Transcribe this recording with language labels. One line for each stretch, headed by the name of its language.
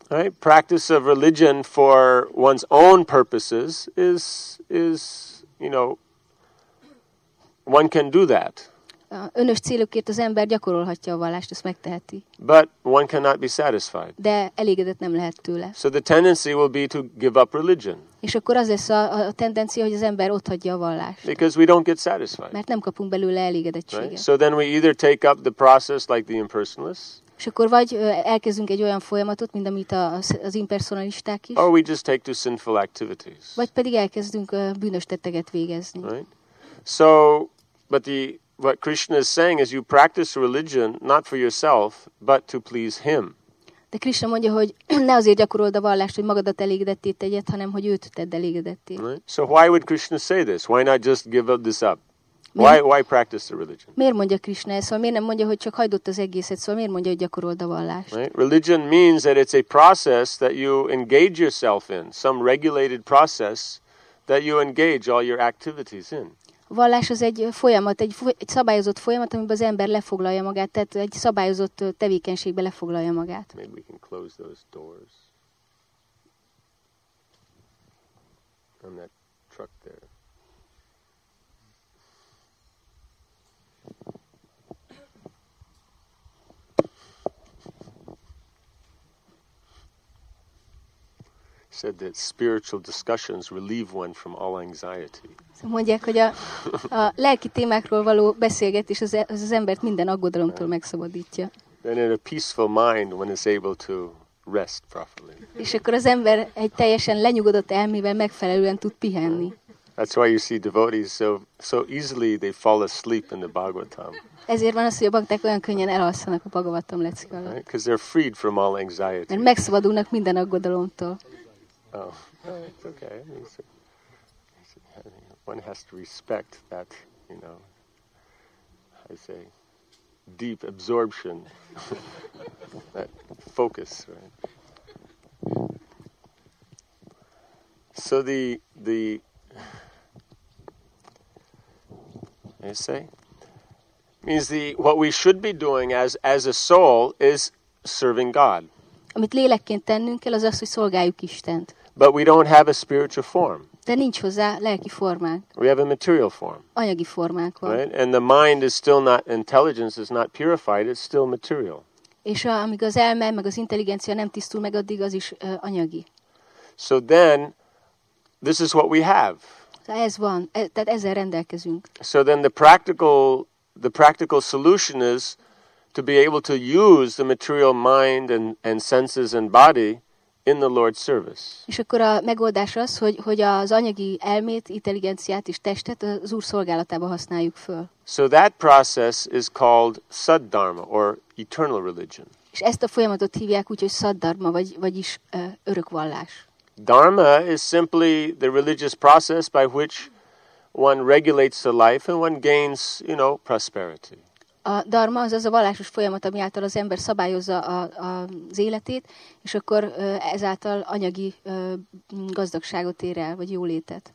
English: Right? Practice of religion for one's own purposes is, you know, one can do that.
Hungarian: Önös célokért az ember gyakorolhatja a vallást, ezt megteheti.
English: But one cannot be satisfied.
Hungarian: De elégedett nem lehet tőle.
English: So the tendency will be to give up religion.
Hungarian: És akkor az lesz a tendencia, hogy az ember otthagyja a vallást.
English: Because we don't get satisfied.
Hungarian: Mert nem kapunk belőle elégedettséget.
English: Right? So then we either take up the process like the impersonalists.
Hungarian: És akkor vagy elkezdünk egy olyan folyamatot, mint amit az impersonalisták is.
English: Or we just take to sinful activities.
Hungarian: Vagy pedig elkezdünk bűnös tetteket végezni.
English: Right? So, but the what Krishna is saying is you practice religion not for yourself, but to please him.
Hungarian: De Krishna mondja, hogy ne azért gyakorold a vallást, hogy magadat elégedetté tegyed, hanem hogy őt tedd elégedetté.
English: Right? So why would Krishna say this? Why not just give this up? Why practice the religion?
Hungarian: Miért mondja Krishna ezt? Szóval miért nem mondja, hogy csak hagyd ott az egészet? Szóval miért mondja, hogy gyakorold a vallást?
English: Right? Religion means that it's a process that you engage yourself in, some regulated process that you engage all your activities in.
Hungarian: Vallás az egy folyamat, egy szabályozott folyamat, amiben az ember lefoglalja magát, tehát egy szabályozott tevékenységbe lefoglalja magát.
English: Maybe we can close those doors. On that truck there. Said that spiritual discussions relieve one from all anxiety.
Hungarian: Mondják, hogy a lelki témákról való beszélgetés az embert minden aggodalomtól megszabadítja.
English: Then in a peaceful mind, one is able to rest properly.
Hungarian: És akkor az ember egy teljesen lenyugodott elmével megfelelően tud pihenni.
English: That's why you see devotees so easily they fall asleep in the Bhagavatam.
Hungarian: Ezért van az, hogy a bakták olyan könnyen elalszanak a Bhagavatam leckék alatt.
English: Because they're freed from all anxiety.
Hungarian: Mert megszabadulnak minden aggodalomtól.
English: Oh, it's okay. One has to respect that, you know, I say, deep absorption, that focus, right? So the I say means the what we should be doing as a soul is serving God.
Hungarian: Amit lélekként tennünk kell, az, hogy szolgáljuk Istent.
English: But we don't have a spiritual form.
Hungarian: De nincs hozzá lelki formánk.
English: We have a material form.
Hungarian: Anyagi formánk van.
English: Right? And the mind is still not, intelligence is not purified, it's still material.
Hungarian: És amíg az elme, meg az intelligencia nem tisztul meg, addig az is anyagi.
English: So then, this is what we have.
Hungarian: Ez van, tehát ezzel rendelkezünk.
English: So then the practical solution is to be able to use the material mind and senses and body in the Lord's service.
Hungarian: És akkor a megoldás az, hogy az anyagi elmét, intelligenciát és testet az Úr szolgálatába használjuk föl.
English: So that process is called Saddharma or eternal religion.
Hungarian: És ezt a folyamatot hívják úgy, hogy Saddharma vagyis örök vallás.
English: Dharma is simply the religious process by which one regulates the life and one gains, you know, prosperity.
Hungarian: A dharma az a vallásos folyamat, ami által az ember szabályozza az életét, és akkor ezáltal anyagi gazdagságot ér el, vagy jólétet.